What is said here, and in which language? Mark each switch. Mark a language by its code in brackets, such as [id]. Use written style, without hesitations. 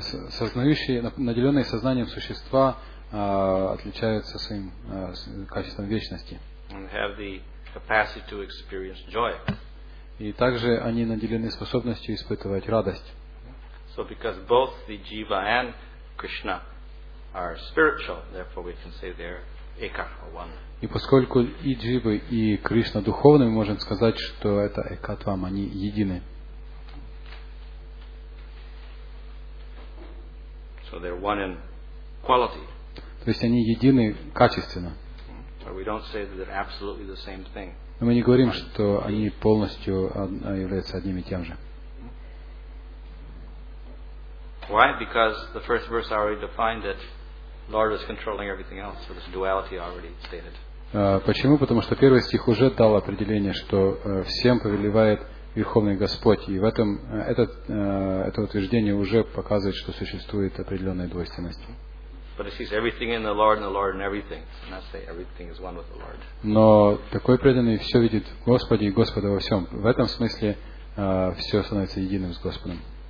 [ru] Сознающие, наделенные сознанием существа отличаются своим качеством вечности. [en] And have the capacity to experience joy. [ru] И также они наделены способностью испытывать радость. [en] So because both the jiva and Krishna are spiritual, therefore we can say they're eka, or one. [ru] И поскольку и дживы, и Кришна духовны, мы можем сказать, что это экатвам, они едины. [en] So they're one in quality. [ru] То есть они едины качественно. [en] But we don't say that they're absolutely the same thing. [ru] Но мы не говорим, что они полностью являются одним и тем же. [en] Why? Because the first verse already defined that Lord is controlling everything else, so this duality already stated. [ru] Почему? Потому что первый стих уже дал определение, что всем повелевает Верховный Господь, и в этом это утверждение уже показывает, что существует определенная двойственность. [en] But it sees everything in the Lord, and the Lord in everything. And I say everything is one with the Lord. [ru] Но такой преданный все видит в Господе и Господа во всем. В этом смысле все становится единым с Господом.